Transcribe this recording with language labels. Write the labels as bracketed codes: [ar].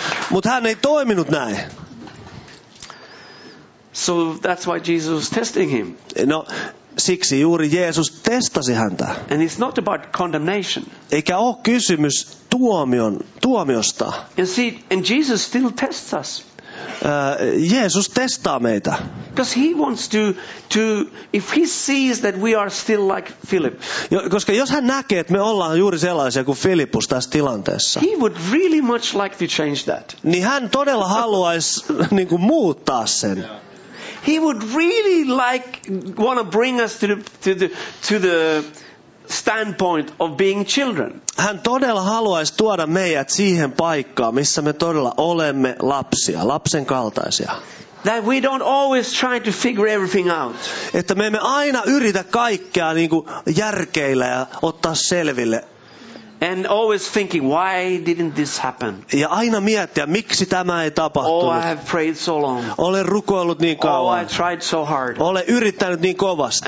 [fi] Mut hän ei toiminut näin. [en] So that's why Jesus was testing him. [fi] No, siksi juuri Jeesus testasi häntä. [en] And it's not about condemnation. [fi] Eikä ole kysymys tuomiosta. [en] And see, and Jesus still tests us. [fi] Jeesus testaa meitä. [en] Because he wants to if he sees that we are still like Philip. [fi] Koska jos hän näkee, että me ollaan juuri sellaisia kuin Filippus tässä tilanteessa. [en] He would really much like to change that. [fi] Niin hän todella haluaisi niinku muuttaa sen. [en] He would really like want to bring us to the standpoint of being children. [fi] Hän todella haluaisi tuoda meidät siihen paikkaan, missä me todella olemme lapsia, lapsen kaltaisia. [en] That we don't always try to figure everything out. [fi] Että me emme aina yritä kaikkea niinku järkeillä ja ottaa selville. [en] And always thinking, why didn't this happen? [fi] Ja aina miettiä, miksi tämä ei tapahtunut. [en] Oh, I have prayed so long. [fi] Olen rukoillut niin kauan. [en] Oh, I tried so hard. [fi] Olen yrittänyt niin kovasti.